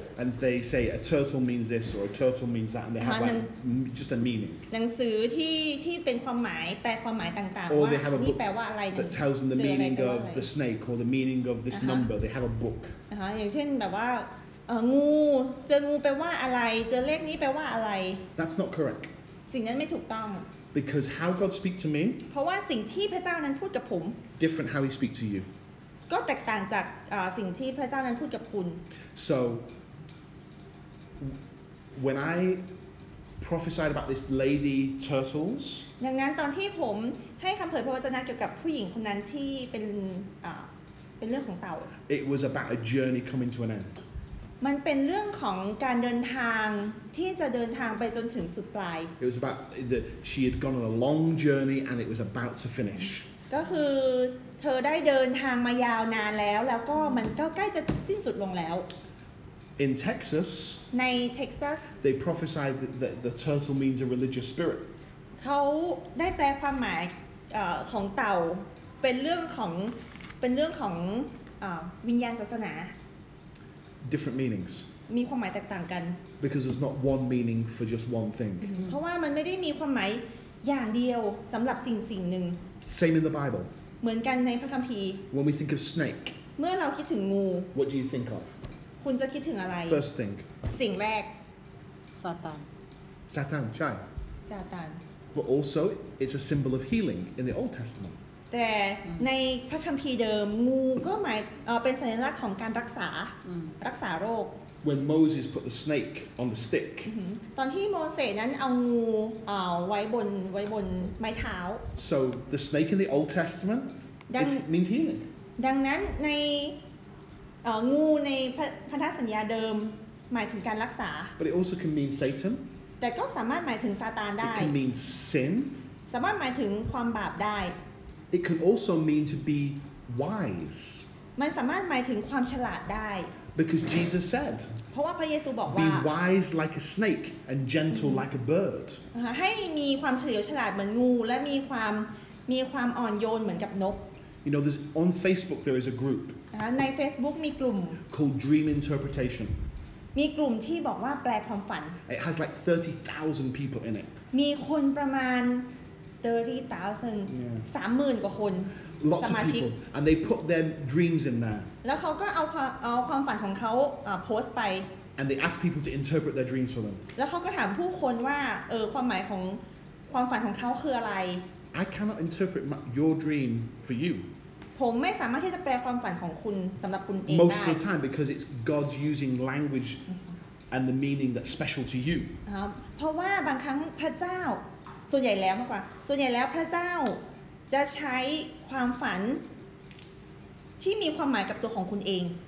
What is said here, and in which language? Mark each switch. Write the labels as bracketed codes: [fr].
[en] and they say a turtle means this or a turtle means that and they have like just a meaning [th] หนังสือที่เป็นความหมายแปลความหมายต่างๆว่านี่ แปลว่าอะไร [en] that tells them the meaning of the snake or the meaning of this number they have a book [th] อย่างเช่นแบบว่างูเจองูแปลว่าอะไรเจอเลขนี้แปลว่าอะไร [en] that's not correct [th] สิ่งนั้นไม่ถูกต้อง [en] because how God speak to me [th] เพราะว่าสิ่งที่พระเจ้านั้นพูดกับผม [en] different how he speak to you [th] ก็แตกต่างจากสิ่งที่พระเจ้านั้นพูดกับคุณ [en] so when I prophesied about this lady turtles [th] ดังนั้นตอนที่ผมให้คำเผยพระวจนะเกี่ยวกับผู้หญิงคนนั้นที่เป็นเรื่องของเต่า [en] it was about a journey coming to an end [th] มันเป็นเรื่องของการเดินทางที่จะเดินทางไปจนถึงสุดปลาย [en] it was about that she had gone on a long journey and it was about to finish [th] ก็คือเธอได้เดินทางมายาวนานแล้วแล้วก็มันก็ใกล้จะสิ้นสุดลงแล้ว [en] In Texas [th] ใน Texas [en] they prophesied that the turtle means a religious spirit [th] เขาได้แปลความหมายของเต่าเป็นเรื่องของวิญญาณศาสนา [en] different meanings [th] มีความหมายแตกต่างกัน [en] because there's not one meaning for just one thing [th] เพราะว่ามันไม่ได้มีความหมายอย่างเดียวสำหรับสิ่งนึง [en] same in the Bible [th] เหมือนกันในพระคัมภีร์ [en] When we think of snake [th] เมื่อเราคิดถึงงู [en] What do you think of [th] คุณจะคิดถึงอะไร [en] First thing [th] สิ่งแรก ซาตาน ซาตานใช่ ซาตาน [en] But also it's a symbol of healing in the Old Testament [th] แต่ในพระคัมภีร์เดิมงูก็หมายเป็นสัญลักษณ์ของการรักษารักษาโรค [en] When Moses put the snake on the stick [th] ตอนที่โมเสสนั้นเอางูไว้บนไม้เท้า [en] So the snake in the Old TestamentIt means healing. [th] ดังนั้นในงูในพันธสัญญาเดิมหมายถึงการรักษา [en] But it also can mean Satan. [th] แต่ก็สามารถหมายถึงซาตานได้ [en] It can mean sin. [th] สามารถหมายถึงความบาปได้ [en] It can also mean to be wise. [th] มันสามารถหมายถึงความฉลาดได้ [en] Because Jesus said. [th] เพราะว่าพระเยซูบอกว่า [en] Be wise like a snake and gentle like a bird. [th] ให้มีความเฉลียวฉลาดเหมือนงูและมีความอ่อนโยนเหมือนกับนก [en] You know, there's on Facebook there is a group. [th] ใน Facebook มีกลุ่ม [en] called Dream Interpretation. [th] มีกลุ่มที่บอกว่าแปลความฝัน [en] It has like 30,000 people in it. [th] มีคนประมาณ 30,000 30,000 กว่าคน สมาชิก [en] and they put their dreams in there. [th] แล้วเขาก็เอาความฝันของเขาโพสต์ไป [en] and they ask people to interpret their dreams for them. [th] แล้วเขาก็ถามผู้คนว่าความหมายของความฝันของเขาคืออะไร [en] I cannot interpret your dream for you. [th] ผมไม่สามารถที่จะแปลความฝันของคุณสำหรับคุณเองได้ [en] Most of the time because it's God using language and the meaning that's special to you. [th] เพราะว่าบางครั้งพระเจ้าส่วนใหญ่แล้วมากกว่าส่วนใหญ่แล้วพระเจ้าจะใช้ความฝันที่มีความหมายกับตัวของคุณเอง